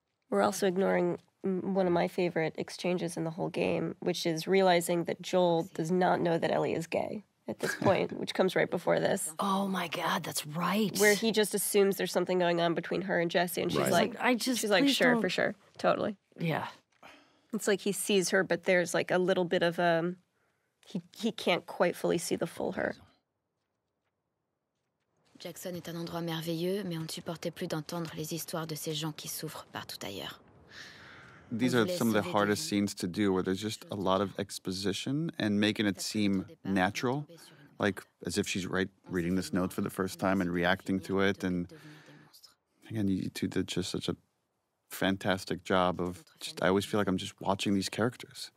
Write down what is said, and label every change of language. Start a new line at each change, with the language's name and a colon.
English: We're also ignoring one of my favorite exchanges in the whole game, which is realizing that Joel does not know that Ellie is gay at this point, which comes right before this. Oh, my God, that's right. Where he just assumes there's something going on between her and Jesse, and she's like, she's like, sure, for sure, totally. Yeah. It's like he sees her, but there's like a little bit of a, he can't quite fully see the full her.
French: Jackson est un endroit merveilleux, mais on ne supportait plus d'entendre les histoires de ces gens qui souffrent partout ailleurs.
English: These are some of the hardest scenes to do, where there's just a lot of exposition and making it seem natural, like as if she's right reading this note for the first time and reacting to it. And again, you two did just such a fantastic job of just, I always feel like I'm just watching these characters.